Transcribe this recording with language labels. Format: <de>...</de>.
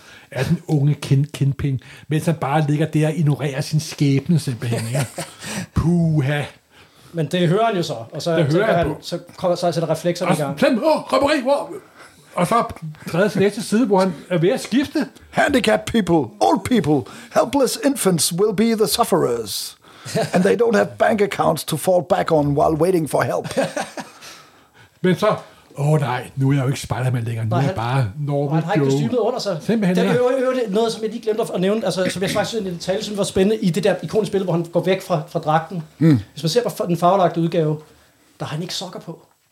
<da>Er den unge kindpind, mens han bare ligger der og ignorerer sin skæbne, simpelthen. Ja. Puha. Men det hører han jo så. Og så det hører han. Så kommer så til reflekser i gang. Plan, reparer, wow. Og så træder til næste side, hvor han er ved at skifte.</da> <en>Handicapped people, old people, helpless infants will be the sufferers. And they don't have bank accounts to fall back on while waiting for help.</en> <da>Men så... nej, nu er jeg jo ikke Spider-Man længere. Nu er jeg bare Norman Joe. Han har ikke kostymet under sig. Simpelthen. Det er jo noget, som jeg lige glemte at nævne, altså, som jeg faktisk synes, en detalje, som var spændende i det der ikoniske billede, hvor han går væk fra dragten. Mm. Hvis man ser på den farvelagte udgave, der har han ikke sokker på.</da>